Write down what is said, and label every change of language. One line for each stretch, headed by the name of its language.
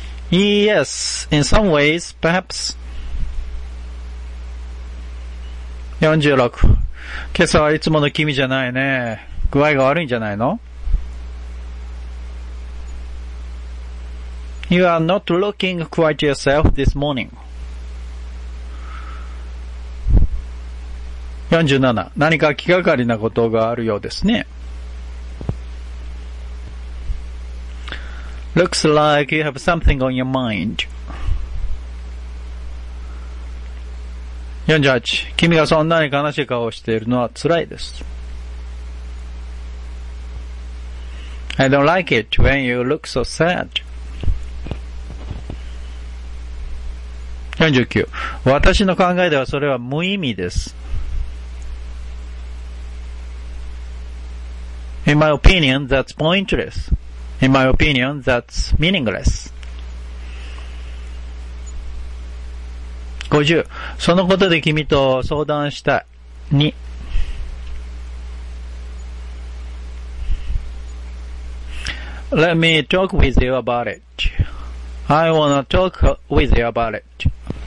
English: Yes, in some ways, perhaps. 46.
Japanese: 今朝はいつもの君じゃないね。具合が悪いんじゃないの?
English: You are not looking quite yourself this morning. 47.
Japanese: 何か気がかりなことがあるようですね。
English: Looks like you have something on your mind. 48.
Japanese: 君がそんなに悲しい顔をしているのは辛いです。
English: I don't like it when you look so sad. 49.
Japanese: 私の考えではそれは無意味です。
English: In my opinion, that's pointless. In my opinion, that's meaningless.
Japanese: 50、そのことで君と相談したい。
English: 2、Let me talk with you about it. I wanna talk with you about it.